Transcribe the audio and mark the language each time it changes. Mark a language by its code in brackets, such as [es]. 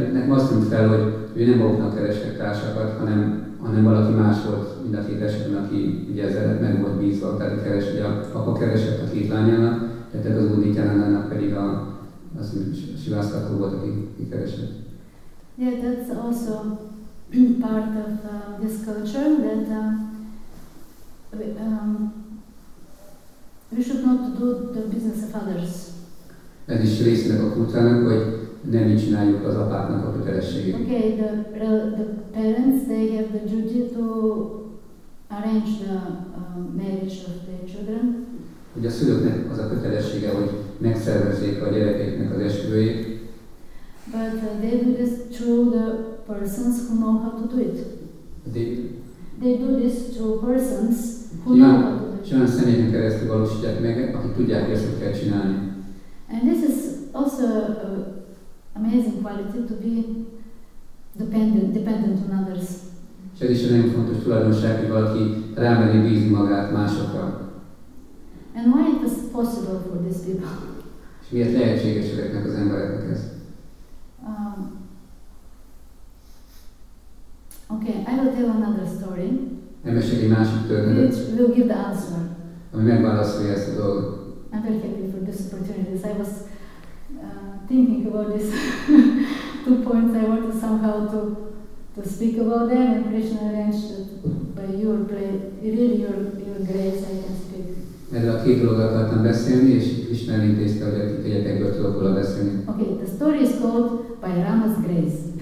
[hu] nekem azt tűnt fel, hogy ő nem maguknak keresett társakat, hanem valaki más volt mind a két esetben, aki ugye ezzel meg volt bízva, tehát apa keresett a két lányának, tehát az úr Nityananda pedig a Sivász Thakur volt, aki keresett. [en] Yeah, that's also part of this culture that we should not do the business of others. [hu] Ez is részének a kultának, hogy nem így csináljuk az apáknak a kötelességét. [en] Okay, the parents, they have the duty to arrange the marriage of their children. [hu] Hogy a szülőknek az a kötelessége, hogy megszervezzék a gyerekeknek az esküvőjét. [en] But they do this through the persons who know how to do it. They do this through persons who know how to do it. [hu] És olyan személyen keresztül valósítják meg, akik tudják, hogy ezt hogy kell csinálni. [en] And this is also amazing quality to be dependent on others. [hu] És ez is egy nagyon fontos tulajdonság, hogy valaki rámeri bízni magát másokra. [en] And why it was possible for these people? [hu] És miért lehetséges ezeknek az embereknek ez? [en] Okay, I will tell another story. [hu] Nem esik egy másik történet. [en] Which will give the answer. [hu] Ami megválaszolja ezt a dolgot. [en] I'm very happy for this opportunity. I was thinking about this two points. I wanted somehow to speak about them. And Krishna arranged by your grace, really your grace, I can speak. [hu] Erről a két dologra akartam beszélni, és Krishna intézte, hogy a kegyetekből tudok róla beszélni. [en] Okay, the story is called by Rama's grace.